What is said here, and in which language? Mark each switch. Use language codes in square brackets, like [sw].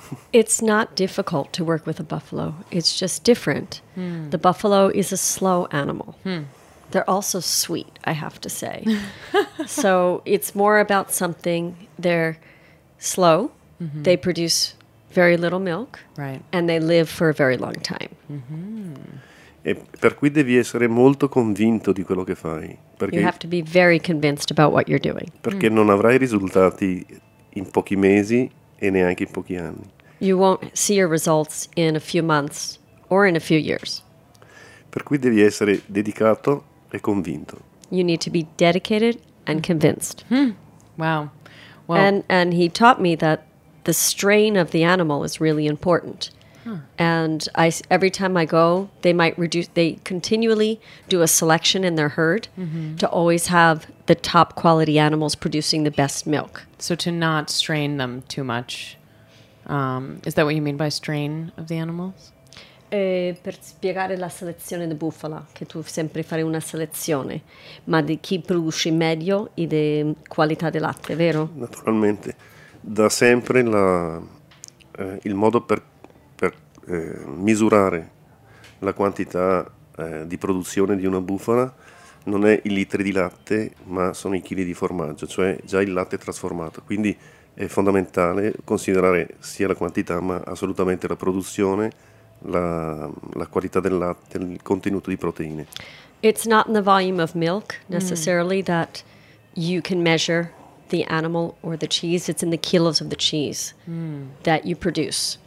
[en] It's not difficult to work with a buffalo. It's just different. The buffalo is a slow animal. They're also sweet, I have to say. So it's more about something. They're slow. They produce very little milk. Right. And they live for a very long time. [it] E per cui devi essere molto convinto di quello che fai. [en] You have to be very convinced about what you're doing. [it] Perché non avrai risultati in pochi mesi e neanche in pochi anni. [en] You won't see your results in a few months or in a few years. [it] Per cui devi essere dedicato e convinto. [en] You need to be dedicated and convinced. Wow. Well, and he taught me that the strain of the animal is really important. And I, every time I go, they might reduce, they continually do a selection in their herd to always have the top quality animals producing the best milk. So to not strain them too much. Is that what you mean by strain of the animals? [it] Per spiegare la selezione di bufala, che tu sempre fai una selezione, ma di chi produce meglio e di qualità del latte, vero? Naturalmente. Da sempre la, il modo per misurare la quantità di produzione di una bufala non è i litri di latte, ma sono i chili di formaggio, cioè già il latte trasformato. Quindi è fondamentale considerare sia la quantità, ma assolutamente la produzione, la qualità del latte, il contenuto di proteine. [en] It's not in the volume of milk necessarily that you can measure the animal or the cheese. It's in the kilos of the cheese that you produce.